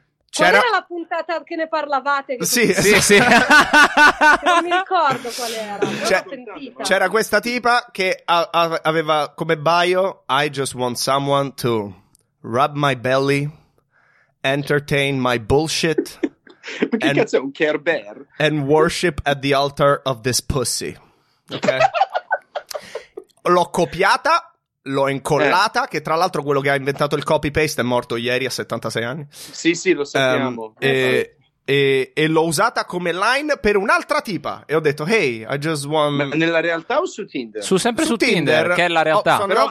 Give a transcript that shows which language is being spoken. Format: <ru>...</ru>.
<it>C'era... Qual era la puntata che ne parlavate? Che sì, sì, sì. Non mi ricordo qual era. C'era questa tipa che aveva come bio:</it> <en>I just want someone to rub my belly, entertain my bullshit.</en> <it>Ma che cazzo è un Care Bear?</it> <en>And worship at the altar of this pussy.</en> <it>Ok. L'ho copiata. L'ho incollata, che tra l'altro quello che ha inventato il copy-paste è morto ieri a 76 anni. Sì, sì, lo sappiamo. E l'ho usata come line per un'altra tipa. E ho detto,</it> <en>hey, I just want...</en> <it>Ma nella realtà o su Tinder? Sempre su Tinder, che è la realtà.</it>